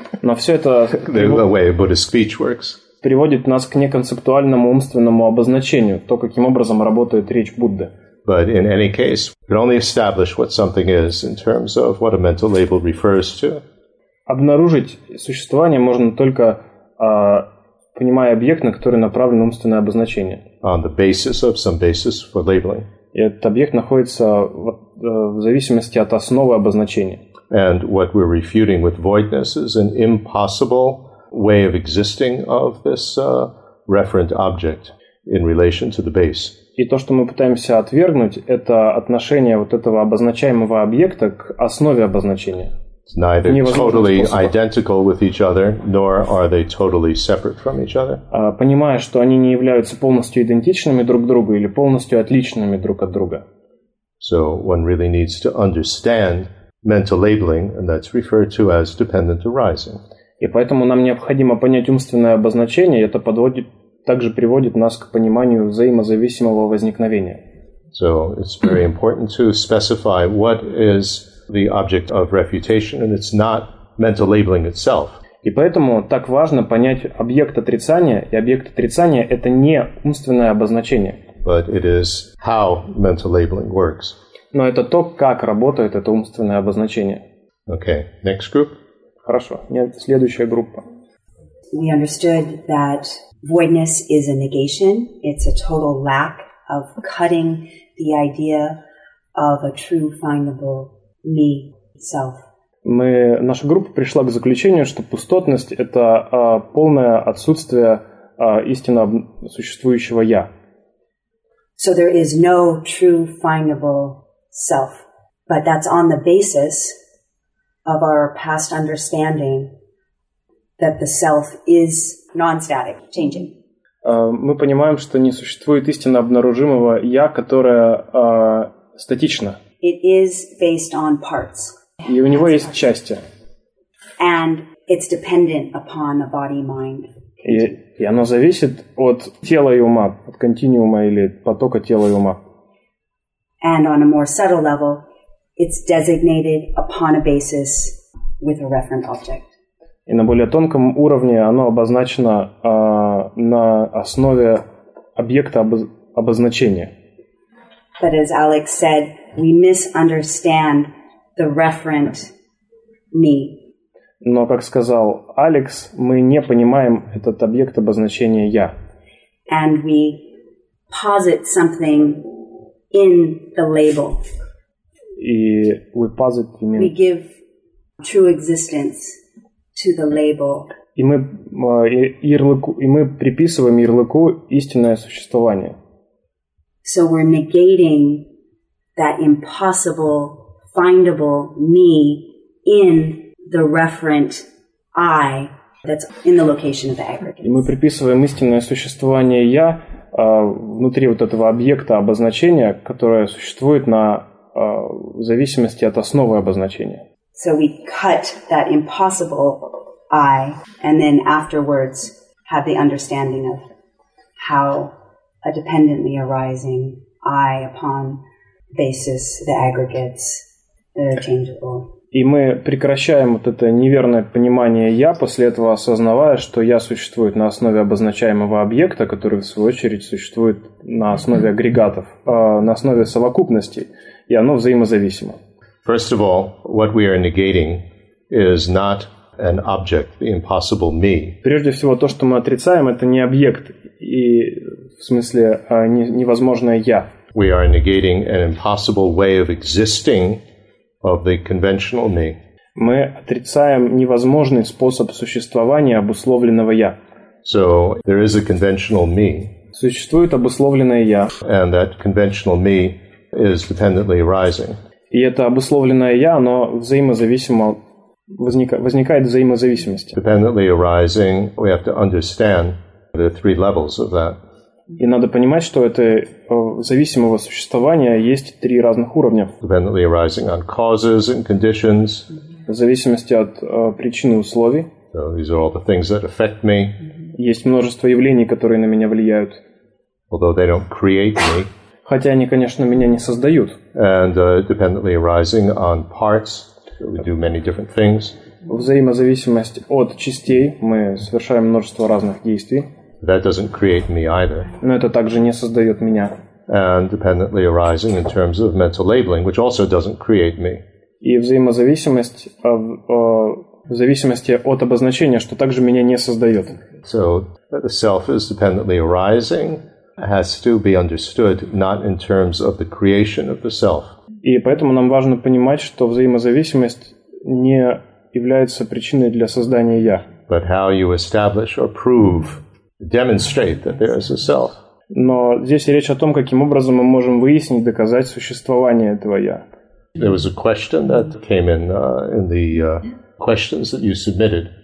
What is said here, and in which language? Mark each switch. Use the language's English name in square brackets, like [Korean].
[Russian] Но все это... [English] the way Buddha's speech works. [Russian] Приводит нас к неконцептуальному умственному обозначению, то, каким образом работает речь Будды. [English] But in any case, we can only establish what something is in terms of what a mental label refers to. [Russian] Обнаружить существование можно только понимая объект, на который направлено умственное обозначение. [English] On the basis of some basis for labeling. [Russian] И этот объект находится в зависимости от основы обозначения. [English] And what we're refuting with voidness is an impossible way of existing of this referent object in relation to the base. [Russian] И то, что мы пытаемся отвергнуть, это отношение вот этого обозначаемого объекта к основе обозначения. [English] It's neither totally identical with each other, nor are they totally separate from each other. [Russian] Понимая, что они не являются полностью идентичными друг другу или полностью отличными друг от друга. [English] So one really needs to understand mental labeling, and that's referred to as dependent arising. [Russian] И поэтому нам необходимо понять умственное обозначение, и это подводит, также приводит нас к пониманию взаимозависимого возникновения. [English] So it's very important to specify what is the object of refutation, and it's not mental labeling itself. [Russian] И поэтому так важно понять объект отрицания, и объект отрицания – это не умственное обозначение. [English] But it is how mental labeling works. [Russian] Но это то, как работает это умственное обозначение. [English] Okay, next group. [Russian] Хорошо. Нет, следующая группа. [English] We understood that voidness is a negation. It's a total lack of cutting the idea of a true findable me, self. [Russian] наша группа пришла к заключению, что пустотность – это полное отсутствие истинно существующего «я». [English] So there is no true findable self, but that's on the basis of our past understanding that the self is non-static, changing. [Russian] Мы понимаем, что не существует истинно обнаружимого «я», которое статично. [English] It is based on parts. [Russian] И у него есть части. [English] And it's dependent upon a body-mind. [Russian] И оно зависит от тела и ума, от континуума или потока тела и ума. [English] And on a more subtle level, it's designated upon a basis with a referent object. [Russian] И на более тонком уровне оно обозначено на основе объекта обозначения. [English] But as Alex said, we misunderstand the referent me. [Russian] Но, как сказал Алекс, мы не понимаем этот объект обозначения «я». [English] And we posit something in the label. [Russian] И [English] we posit, you mean? We give true existence to the label. [Russian] И мы приписываем ярлыку истинное существование. [English] So we're negating that impossible, findable me in the referent I that's in the location of the aggregate. [Russian] И мы приписываем истинное существование «я» внутри вот этого объекта обозначения, которое существует на в зависимости от основы обозначения. [English] So we cut that impossible I, and then afterwards have the understanding of how a dependently arising I upon basis, the aggregates, the changeable. [Russian] И мы прекращаем вот это неверное понимание «я», после этого осознавая, что «я» существует на основе обозначаемого объекта, который, в свою очередь, существует на основе агрегатов, на основе совокупностей, и оно взаимозависимо. [English] First of all, what we are negating is not an object, the impossible me. [Russian] Прежде всего, то, что мы отрицаем, это не объект, и в смысле невозможное «я». [English] We are negating an impossible way of existing of the conventional me. [Russian] Мы отрицаем невозможный способ существования обусловленного я. [English] So there is a conventional me. [Russian] Существует обусловленное я. [English] And that conventional me is dependently arising. [Russian] И это обусловленное я, оно взаимозависимо возникает взаимозависимость. [English] Dependently arising, we have to understand the three levels of that. [Russian] И надо понимать, что это зависимого существования есть три разных уровня. [English] Dependently arising on causes and conditions. [Russian] В зависимости от причин и условий. [English] So these are all the things that affect me. [Russian] Есть множество явлений, которые на меня влияют. [English] Although they don't create me. [Russian] Хотя они, конечно, меня не создают. [English] And dependently arising on parts. We do many different things. [Russian] Взаимозависимость от частей. Мы совершаем множество разных действий. [English] That doesn't create me either. [Russian] Но это также не создает меня. [English] And dependently arising in terms of mental labeling, which also doesn't create me. [Russian] И взаимозависимость в зависимости от обозначения, что также меня не создает. [English] So the self is dependently arising has to be understood not in terms of the creation of the self. [Russian] И поэтому нам важно понимать, что взаимозависимость не является причиной для создания я. [English] But how you establish or prove, demonstrate that there is a self. [Russian] Но здесь речь о том, каким образом мы можем выяснить, доказать существование этого я. [English] There was a question that came in the questions that you submitted.